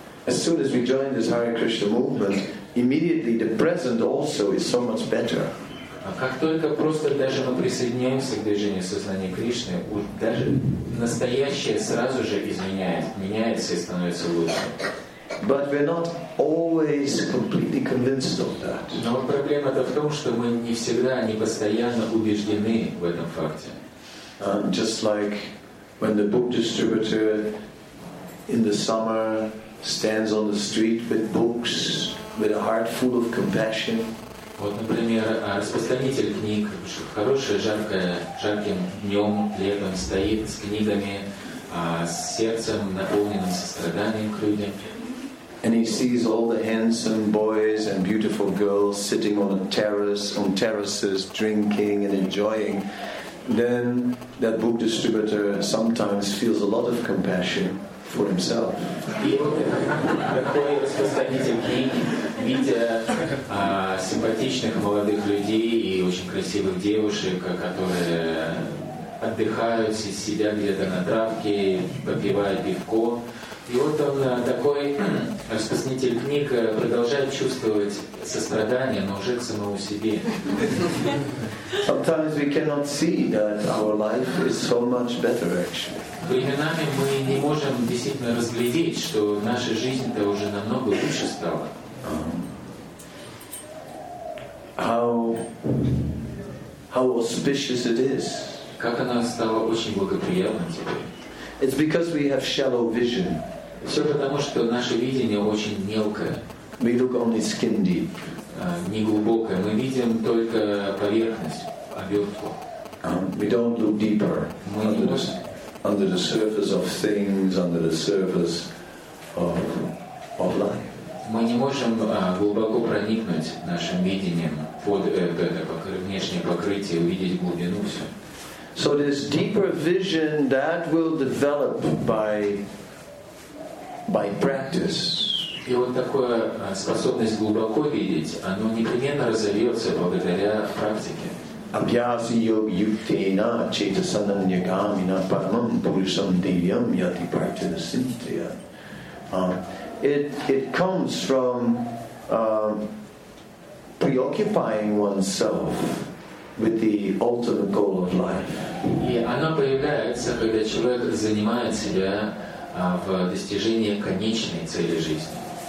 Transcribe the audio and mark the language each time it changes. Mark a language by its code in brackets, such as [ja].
[en] As soon as we join this Hare Krishna movement, immediately the present also is so much better. [ru] А как только просто даже мы присоединяемся к движению сознания Кришны, даже настоящее сразу же меняется и становится лучше. [en] But we're not always completely convinced of that. [ru] Но проблема-то в том, что мы не всегда, не постоянно убеждены в этом факте. [en] Just like when the book distributor in the summer stands on the street with books, with a heart full of compassion. [ru] Вот, например, распространитель книг в хорошее, жарким днем, летом стоит с книгами, с сердцем, наполненным состраданием к людям. [en] And he sees all the handsome boys and beautiful girls sitting on a terrace, on terraces, drinking and enjoying. Then that book distributor sometimes feels a lot of compassion for himself. [ru] И вот такой распространитель книг, видя симпатичных молодых людей и очень красивых девушек, которые отдыхают, сидят где-то на травке, попивают пивко. И вот он, такой распространитель книг, продолжает чувствовать сострадание, но уже к самому себе. [en] Sometimes we cannot see that our life is so much better actually. [ru] Временами мы не можем действительно разглядеть, что наша жизнь-то уже намного лучше стала. [en] How auspicious it is. [ru] Как она стала очень благоприятна теперь. [en] It's because we have shallow vision. [ru] Все потому, что наше видение очень мелкое. [en] We look only skin deep. [ru] Неглубокое. Мы видим только поверхность, обертку. [en] We don't look deeper. [ru] Мы не можем. [en] Under the surface of things, under the surface of life. [ru] мы не можем глубоко проникнуть нашим видением под внешнее покрытие, увидеть глубину всю. [en] So this deeper vision that will develop by practice. [ru] И вот такая способность глубоко видеть, оно непременно разовьется благодаря практике. [sa] Абьяси йоги юктейна чейтасанам ньягамина парамам пурисам дивьям яти прачана синтия. [en] It comes from preoccupying oneself with the ultimate goal of life. [ru] И оно появляется, когда человек занимает себя в достижении конечной цели жизни.